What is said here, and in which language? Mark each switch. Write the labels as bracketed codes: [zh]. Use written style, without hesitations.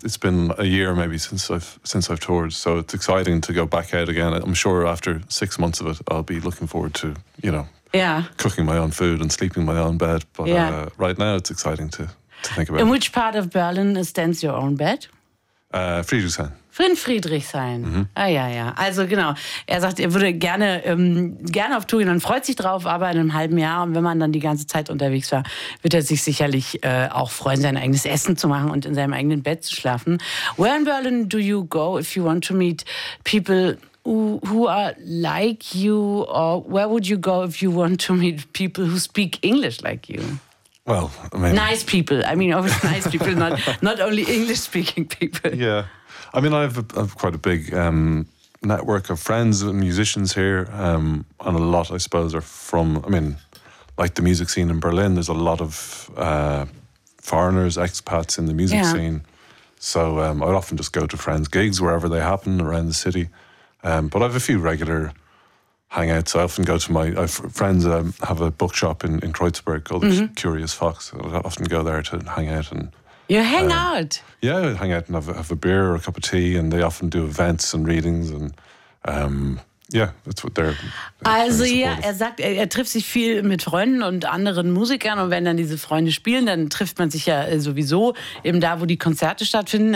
[en] It's been a year maybe since I've toured, so it's exciting to go back out again. I'm sure after 6 months of it, I'll be looking forward to, you know, cooking my own food and sleeping in my own bed. But right now, it's exciting to think about. In which part of Berlin stands your own bed? Friedrichshain. In Friedrichshain. Mhm. Ah, ja. [de] Also genau, er sagt, er würde gerne gerne auf Tour gehen und freut sich drauf, aber in einem halben Jahr, und wenn man dann die ganze Zeit unterwegs war, wird er sich sicherlich auch freuen, sein eigenes Essen zu machen und in seinem eigenen Bett zu schlafen. [en] Where in Berlin do you go if you want to meet people who are like you, or where would you go if you want to meet people who speak English like you? Well, I mean, nice people. I mean, obviously nice people, not only English-speaking people. Yeah. I mean, I have quite a big network of friends and musicians here, and a lot, I suppose, are from, I mean, like the music scene in Berlin, there's a lot of foreigners, expats in the music scene. So I'd often just go to friends' gigs wherever they happen around the city. But I have a few regular hangouts. I often go to my friends have a bookshop in Kreuzberg called Curious Fox. I often go there to hang out and... You hang out? Yeah, I hang out and have a beer or a cup of tea, and they often do events and readings and... that's what they're... [de] Also ja, er sagt, er trifft sich viel mit Freunden und anderen Musikern, und wenn dann diese Freunde spielen, dann trifft man sich ja sowieso eben da, wo die Konzerte stattfinden.